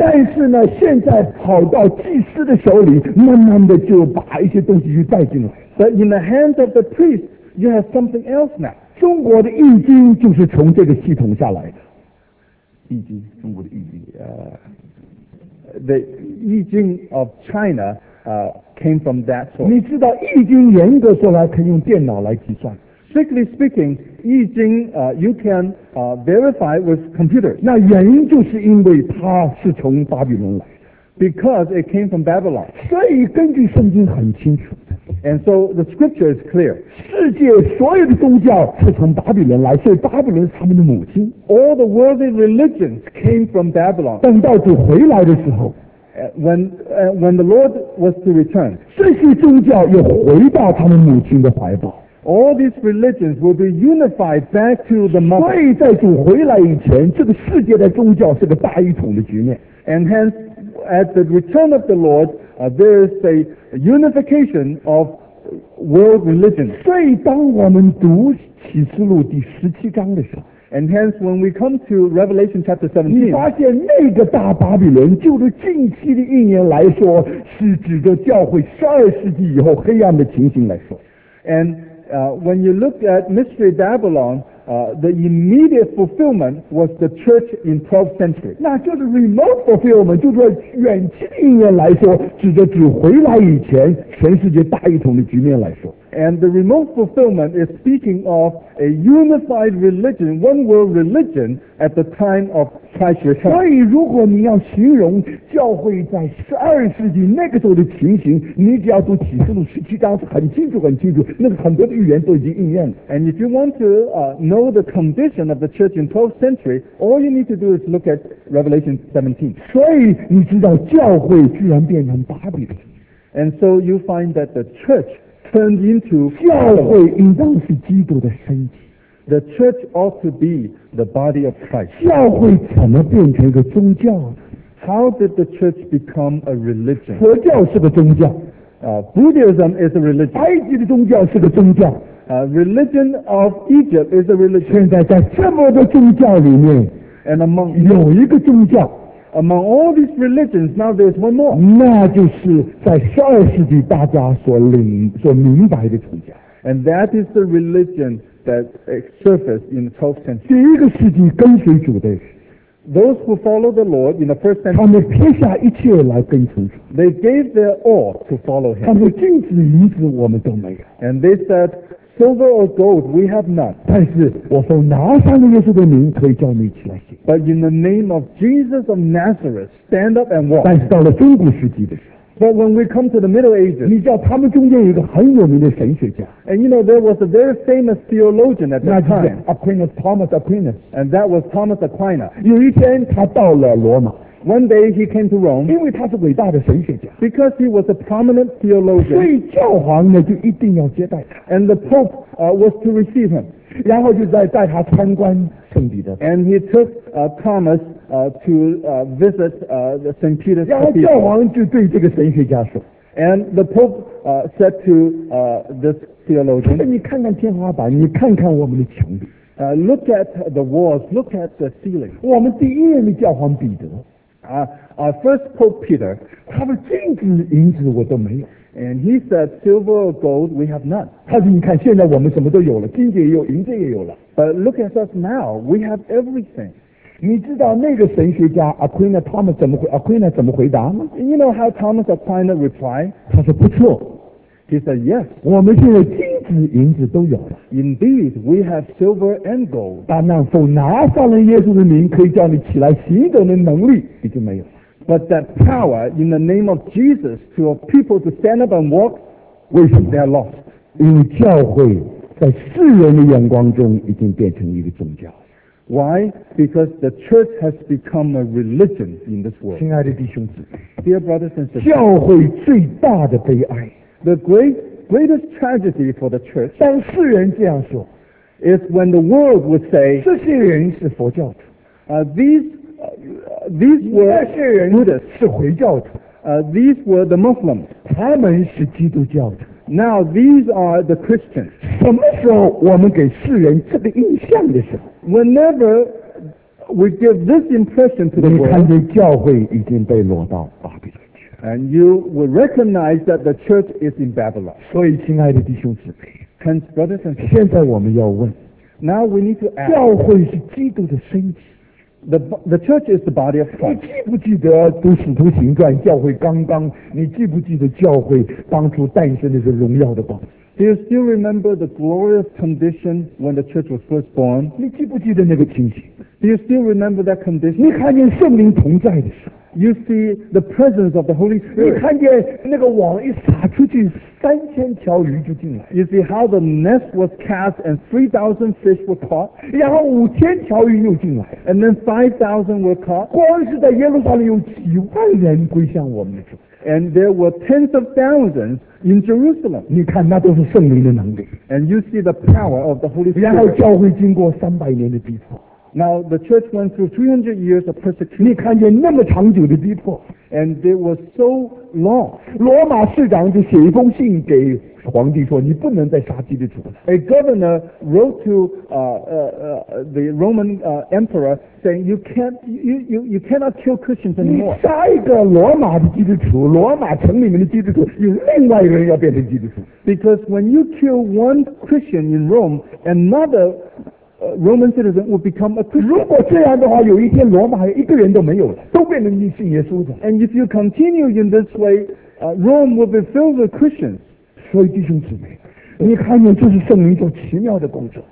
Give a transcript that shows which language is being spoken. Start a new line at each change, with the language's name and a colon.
Chinese: 但是呢，现在跑到祭司的手里，慢慢的就把一些东西就带进来。
English: But in the hands of the priest, you have something else now.
Chinese: 中国的易经就是从这个系统下来的。易经，中国的易经，
English: the 易经 of China, came from that source.
Chinese: 你知道，易经严格说来可以用电脑来计算。
English: Strictly speaking, 易经 you can verify with computers.
Chinese: 那原因就是因为它是从巴比伦来的。
English: Because it came from Babylon.
Chinese: 所以根据圣经很清楚的。
English: And so the scripture is clear.
Chinese: 世界所有的宗教是从巴比伦来，所以巴比伦是他们的母亲。
English: All the worldly religions came from Babylon.
Chinese: 等到主回来的时候。
English: When the Lord was to return.
Chinese: 这些宗教又回到他们母亲的怀抱。
English: All these religions will be unified back to the mother.
Chinese: 所以在主回来以前，这个世界的宗教是个大一统的局面。
English: And hence, at the return of the Lord, there is a unification of world religions.
Chinese: 所以当我们读启示录第十七章的时候，
English: And hence, when we come to Revelation chapter 17,
Chinese: 你发现那个大巴比伦，就是近期的一年来说，是指着教会十二世纪以后黑暗的情形来说。
English: And when you look at Mystery Babylon, the immediate fulfillment was the church in 12th century.
Chinese: 那就是
English: remote fulfillment,
Chinese: 就是远期的一年来说，指着主回来以前全世界大一统的局面来说。
English: And the remote fulfillment is speaking of a unified religion, one world religion at the time of Christ's return.
Chinese: 所以如果你要形容教会在十二世纪那个时候的情形，你只要读启示录十七章，很清楚很清楚，那个很多的预言都已经应验了。
English: And if you want to know the condition of the church in 12th century, all you need to do is look at Revelation 17.
Chinese: 所以你知道教会居然变成巴比伦。
English: And so you find that the church turned into
Chinese: 教会应当是基督的身体。
English: The church ought to be the body of Christ.
Chinese: 教会怎么变成一个宗教呢？
English: How did the church become a religion?
Chinese: 佛教是个宗教。
English: Buddhism is a religion.
Chinese: 埃及的宗教是个宗教。
English: Religion of Egypt is a religion.
Chinese: 现在在这么多宗教里面，
English: And among
Chinese: 有一个宗教。
English: Among all these religions, now there's one more.
Chinese: 那就是在十二世纪大家所明白的宗教。
English: And that is the religion that surfaced in the 12th century.
Chinese: 第一个世纪跟随主的人。
English: Those who follow the Lord in the first century.
Chinese: 他们撇下一切来跟从主。
English: They gave their all to follow him.
Chinese: 他们金子银子我们都没有。
English: And they said, silver or gold, we have none.
Chinese: 但是我说拿撒勒耶稣的名可以叫你起来行。
English: But in the name of Jesus of Nazareth, stand up and walk.
Chinese: 但是到了中古世纪的时候。
English: But when we come to the Middle Ages,
Chinese: 你知道他们中间有一个很有名的神学家。
English: And you know, there was a very famous theologian at that time.
Chinese: 那就是 Aquinas, Thomas Aquinas.
English: And that was Thomas Aquinas.
Chinese: 有一天他到了罗马。
English: One day he came to Rome.
Chinese: 因为他是伟大的神学家。
English: Because he was a prominent theologian.
Chinese: 所以教皇呢就一定要接待他。
English: And the Pope, was to receive him.
Chinese: 然后就在带他参观圣彼得。
English: And he took, Thomas, to, visit, the St. Peter's Cathedral.
Chinese: 然后教皇就对这个神学家说。
English: And the Pope, said to, this theologian.
Chinese: 你看看天花板，你看看我们的墙壁。
English: Look at the walls, look at the ceiling.
Chinese: 我们第一任的教皇彼得。
English: Our first Pope Peter,
Chinese: 他们金子银子我都没有。
English: And he said, silver or gold, we have none.
Chinese: 他说你看现在我们什么都有了，金子也有，银子也有了。
English: But look at us now, we have everything.
Chinese: 你知道那个神学家 Aquinas 怎么回答吗？
English: You know how Thomas Aquinas replied?
Chinese: 他说不错。
English: He said, yes.
Chinese: 我们现在金子银子都有了。
English: Indeed, we have silver and gold.
Chinese: 但那奉拿撒勒耶稣的名可以叫你起来行走的能力已经没有了。
English: But that power in the name of Jesus for people to stand up and walk, they're lost.
Chinese: 因为教会在世人的眼光中已经变成一个宗教。
English: Why? Because the church has become a religion in this world.
Chinese: 亲爱的弟兄姊妹，
English: Dear brothers and sisters,
Chinese: 教会最大的悲哀，
English: The greatest tragedy for the church,
Chinese: 当世人这样说，
English: is when the world would say,
Chinese: 这些人是佛教徒，
English: these were Buddhists,
Chinese: 那些人
English: Buddhists,
Chinese: 是回教徒，
English: these were the Muslims,
Chinese: 他们是基督教徒。
English: Now these are the Christians.
Chinese: 什么时候我们给世人这个印象的时候？
English: Whenever we give this impression to the world,
Chinese: 你看见教会已经被落到巴比伦去。
English: And you will recognize that the church is in Babylon.
Chinese: 所以，亲爱的弟兄姊妹，
English: Hence, brothers and sisters,
Chinese: 现在我们要问，
English: Now we need to ask,
Chinese: 教会是基督的身体。
English: The church is the body of Christ.
Chinese: 你记不记得读使徒行传教会刚刚你记不记得教会当初诞生的是荣耀的光
English: Do you still remember the glorious condition when the church was first born?
Chinese: 你记不记得那个情形
English: Do you still remember that condition?
Chinese: 你看见圣灵同在的时候
English: You see the presence of the Holy Spirit.
Chinese: 你看见那个网一撒出去三千条鱼就进来
English: You see how the net was cast and 3,000 fish were caught
Chinese: 然后五千条鱼又进来
English: And then 5,000 were caught
Chinese: 光是在耶路撒冷有几万人归向我们的主
English: And there were tens of thousands in Jerusalem
Chinese: 你看那都是圣灵的能力
English: And you see the power of the Holy Spirit
Chinese: 然后教会经过三百年的逼迫
English: Now the church went through 300 years of persecution
Chinese: 你看见那么长久的逼迫
English: And it was so long.
Chinese: 罗马市长就写一封信给皇帝说：“你不能再杀基督徒了。”
English: A governor wrote to the Roman emperor saying, "You cannot kill Christians anymore."
Chinese: 你杀一个罗马的基督徒，罗马城里面的基督徒，有另外一个人要变成基督徒。
English: Because when you kill one Christian in Rome, another Roman citizen will become a Christian.
Chinese: 如果这样的话，有一天罗马一个人都没有了，都变成信耶稣的。
English: And if you continue in this way, Rome will be filled with Christians.
Chinese: 所以弟兄姊妹，你看见这是圣灵做奇妙的工作。